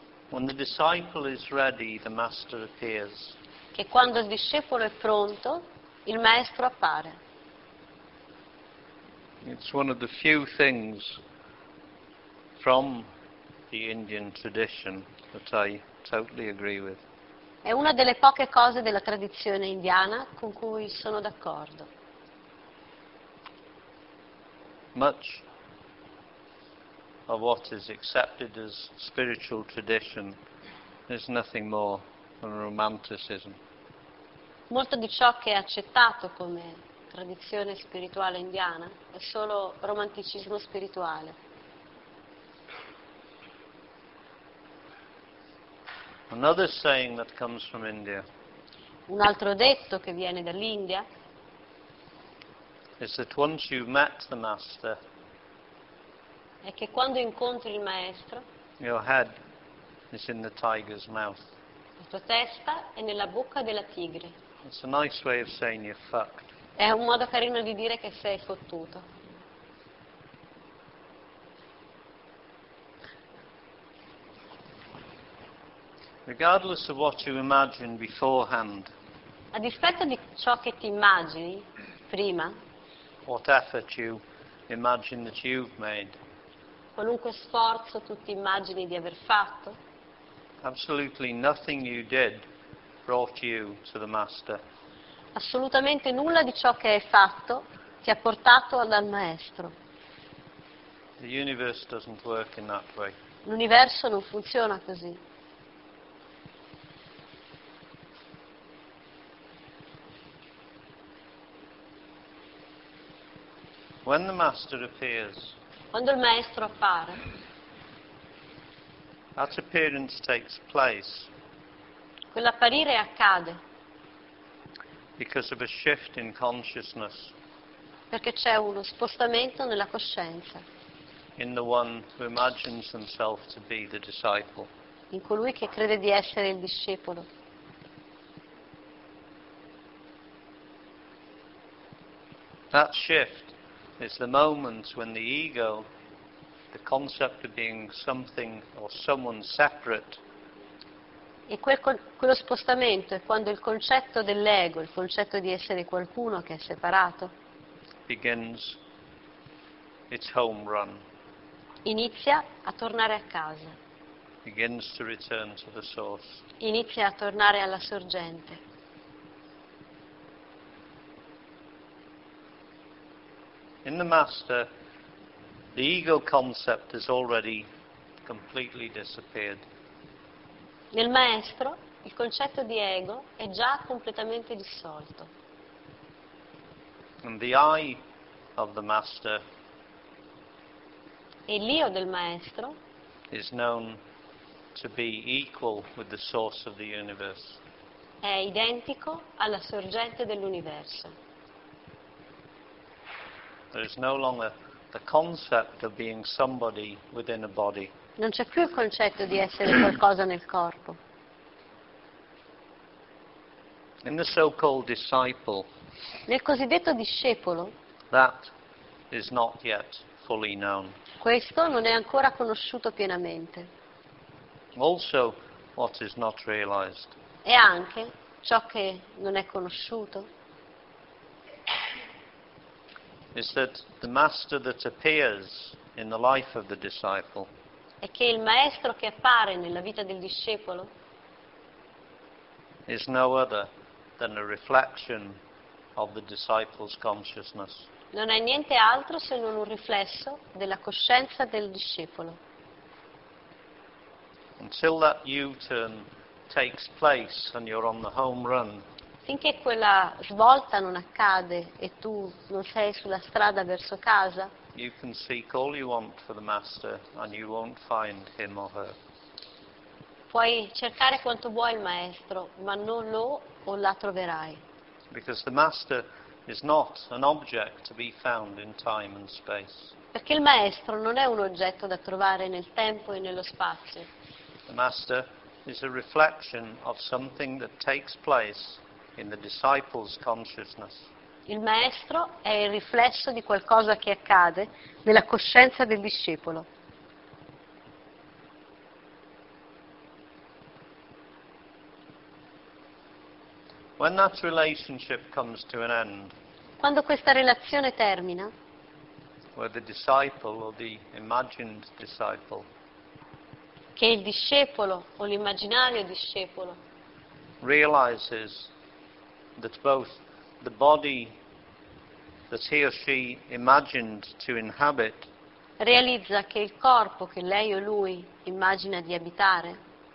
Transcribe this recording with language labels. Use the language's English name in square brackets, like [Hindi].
[English] When the disciple is ready, the master appears. [Italian] Che quando il discepolo è pronto, il maestro appare. [English] It's one of the few things from the Indian tradition that I totally agree with. [Italian] È una delle poche cose della tradizione indiana con cui sono d'accordo. [English] Much of what is accepted as spiritual tradition is nothing more than romanticism. [Italian] Molto di ciò che è accettato come tradizione spirituale indiana è solo romanticismo spirituale. [English] Another saying that comes from India. [Italian] Un altro detto che viene dall'India. [English] Is that once you've met the master. [Italian] È che quando incontri il maestro. [English] Your head is in the tiger's mouth. [Italian] La tua testa è nella bocca della tigre. [English] It's a nice way of saying you're fucked. [Italian] È un modo carino di dire che sei fottuto. [English] Regardless of what you imagine beforehand. [Italian] A dispetto di ciò che ti immagini prima. [English] What effort you imagine that you've made. [Italian] Qualunque sforzo tu ti immagini di aver fatto. [English] Absolutely nothing you did brought you to the master. [Italian] Assolutamente nulla di ciò che hai fatto ti ha portato al maestro. [English] The universe doesn't work in that way. [Italian] L'universo non funziona così. [English] When the master appears. [Italian] Quando il maestro appare. [English] That appearance takes place. [Italian] Quell'apparire accade. [English] Because of a shift in consciousness. [Italian] Perché c'è uno spostamento nella coscienza. [English] In the one who imagines himself to be the disciple. [Italian] In colui che crede di essere il discepolo. [English] That shift is the moment when the ego, the concept of being something or someone separate. [Italian] E quello spostamento è quando il concetto dell'ego, il concetto di essere qualcuno che è separato, [English] begins its home run. [Italian] Inizia a tornare a casa. [English] Begins to return to the source. [Italian] Inizia a tornare alla sorgente. [English] In the master, the ego concept has already completely disappeared. [Italian] Nel maestro, il concetto di ego è già completamente dissolto. [English] And the eye of the master. [Italian] E l'io del maestro. [English] Is known to be equal with the source of the universe. [Italian] È identico alla sorgente dell'universo. [English] There is no longer the concept of being somebody within a body. [Italian] Non c'è più il concetto di essere qualcosa nel corpo. [English] In the so-called disciple. [Italian] Nel cosiddetto discepolo. [English] That is not yet fully known. [Italian] Questo non è ancora conosciuto pienamente. [English] Also, what is not realized. [Italian] E anche ciò che non è conosciuto. [English] Is that the master that appears in the life of the disciple? [Italian] È che il maestro che appare nella vita del discepolo? [English] Is no other than a reflection of the disciple's consciousness. [Italian] Non è niente altro se non un riflesso della coscienza del discepolo. [English] Until that U-turn takes place and you're on the home run. [Italian] Finché quella svolta non accade e tu non sei sulla strada verso casa, [English] you can seek all you want for the master and you won't find him or her. [Italian] Puoi cercare quanto vuoi il maestro, ma non lo o la troverai. [English] Because the master is not an object to be found in time and space. [Italian] Perché il maestro non è un oggetto da trovare nel tempo e nello spazio. [English] The master is a reflection of something that takes place in the disciple's consciousness. [Italian] Il maestro è il riflesso di qualcosa che accade nella coscienza del discepolo. [English] When that relationship comes to an end, [Italian] quando questa relazione termina, [English] where the disciple or the imagined disciple, [Italian] che il discepolo o l'immaginario discepolo, [English] realizes that both the body that he or she imagined to inhabit, [Italian] realizza che il corpo che lei o lui immagina di abitare,